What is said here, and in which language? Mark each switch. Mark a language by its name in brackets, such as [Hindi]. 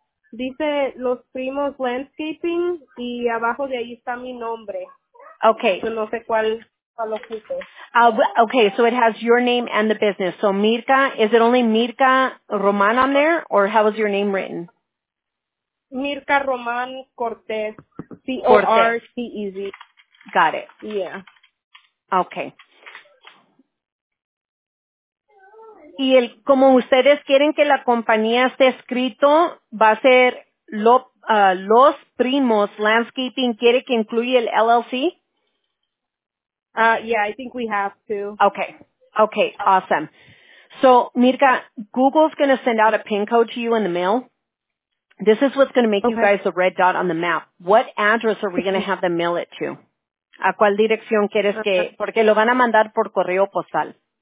[Spanish] Dice Los Primos Landscaping y abajo de ahí está mi nombre. Okay. So, no sé cuál lo puse. [English] Okay, so it has your name and the business. So, Mirka, is it only Mirka Roman on there or how is your name written? Mirka Roman Cortez. C-O-R-T-E-Z. Got it. Yeah. Okay. [Spanish] Y el, como ustedes quieren que la compañía esté escrito, va a ser Los Primos Landscaping. ¿Quiere que incluya el LLC? [English] Yeah, I think we have to. Okay. Okay, awesome. So, Mirka, Google's going to send out a PIN code to you in the mail. This is what's going to make you guys the red dot on the map. What address are we going to have them mail it to? [Spanish] ¿A cuál dirección quieres que? Porque lo van a mandar por correo postal.